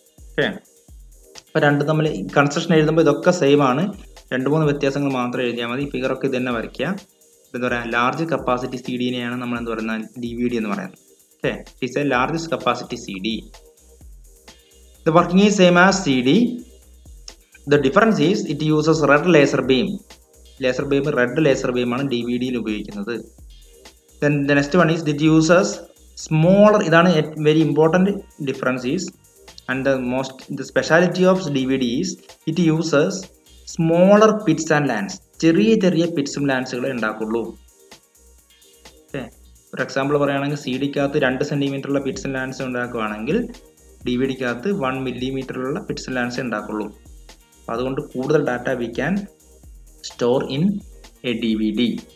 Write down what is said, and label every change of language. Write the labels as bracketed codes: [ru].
[ml] Okay, അപ്പോൾ രണ്ടും തമ്മിൽ കൺസ്ട്രക്ഷൻ എഴുതുമ്പോൾ ഇതൊക്കെ സെയിം ആണ്, രണ്ട് മൂന്ന് വ്യത്യാസങ്ങൾ മാത്രം എഴുതിയാൽ മതി. ഫിഗറൊക്കെ ഇതുതന്നെ വരയ്ക്കുക. എന്താ പറയുക, ലാർജ് കപ്പാസിറ്റി സി ഡിനെയാണ് നമ്മൾ എന്ത് പറയുന്നത്, ഡി വി ഡി എന്ന് പറയുന്നത്. [en] Okay, is a largest capacity C D. The working is same as C D. The difference is it uses red laser beam. Laser beam, red laser beam [ml] ആണ് ഡിവിഡിയിൽ ഉപയോഗിക്കുന്നത്. [en] Then the next one is it uses smaller, [ml] ഇതാണ് [en] very important difference is, and the most the speciality of DVD is it uses smaller pits and lands. [ml] ചെറിയ ചെറിയ പിറ്റ്സും ലാൻസുകളും ഉണ്ടാക്കുള്ളൂ. Okay, [en] for example [ml] പറയുകയാണെങ്കിൽ C ഡിക്കകത്ത് 2 centimetre ഉള്ള Pitt's and lance ഉണ്ടാക്കുകയാണെങ്കിൽ D V ഡിക്കകത്ത് 1 millimetre ഉള്ള Pitt's and lance ഉണ്ടാക്കുള്ളൂ. അപ്പോൾ അതുകൊണ്ട് കൂടുതൽ [en] Data we can store in a D V D.